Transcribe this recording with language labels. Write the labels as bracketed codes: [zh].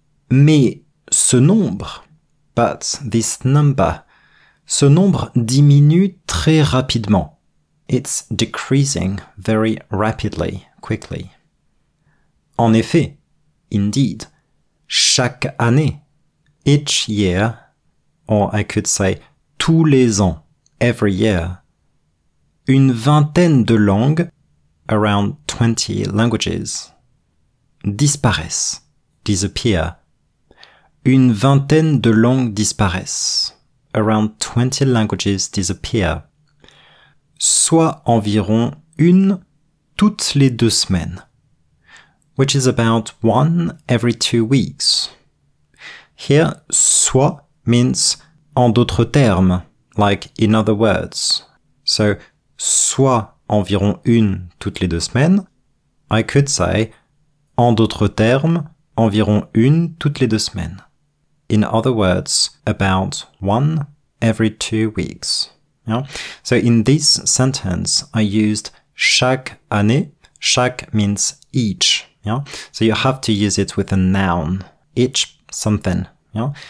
[fr] Mais ce nombre, [en] but this number, [fr] ce nombre diminue très rapidement. [en] It's decreasing very rapidly, quickly. [fr] En effet, [en] indeed, [fr] chaque année, [en] each year, or I could say [fr] tous les ans, [en] every year, [fr] une vingtaine de langues, [en] around 20 languages, disparaissent, disappear. [fr] Une vingtaine de langues disparaissent, [en] around 20 languages disappear. [fr] Soit environ une toutes les deux semaines. [en] Which is about one every 2 weeks. Here, soit means [fr] en d'autres termes, [en] like in other words. [fr] So, soit environ une toutes les deux semaines. [en] I could say, [fr] en d'autres termes, environ une toutes les deux semaines. [en] In other words, about one every 2 weeks. Yeah? So, in this sentence, I used [fr] chaque année. [en] Chaque means each. Yeah? So you have to use it with a noun, each something. Yeah?